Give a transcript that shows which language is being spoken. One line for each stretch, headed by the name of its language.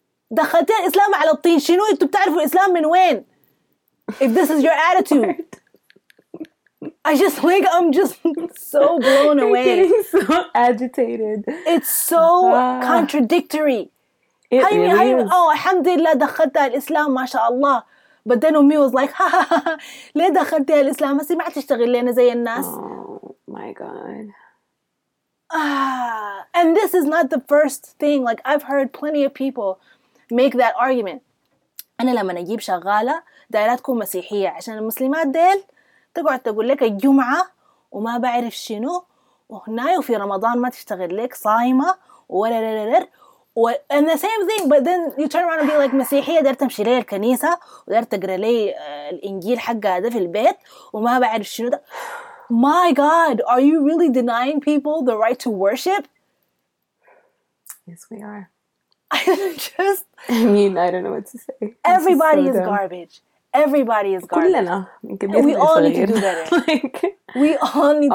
Arabic: دخلت الإسلام على الطين شنو أنتوا بتعرفوا الإسلام من وين؟
English: If this is your attitude. I just like, I'm just so blown away. So agitated. It's so contradictory. It really is.
Arabic: Oh, alhamdulillah, دخلت الإسلام, mashallah.
English: But then Umi was like, ha ha
Arabic: ha, ليه دخلت الإسلام؟ هسي ما تشتغل لنا زي الناس.
English: Oh my God. And this is not the first thing. Like, I've heard plenty of people make that argument.
Arabic: أنا لما نجيب شغالة دايرة تكون مسيحية عشان المسلمات ديل تقعد تقول لك الجمعة وما بعرف شنو وهنا وفي رمضان ما تشتغل لك صايمة ولا لا لا لا
English: and the same thing but then you turn around and be like
Arabic: مسيحية دايرة تمشي لي الكنيسة ودايرة تقرأ لي الإنجيل حقها ده في البيت وما بعرف شنو ده.
English: My God, are you really denying people the right to worship? Yes, we are. Just, I mean, I don't know what to say. Everybody so is dumb. Garbage. Everybody is garbage. We all need to do better. Like, we all need to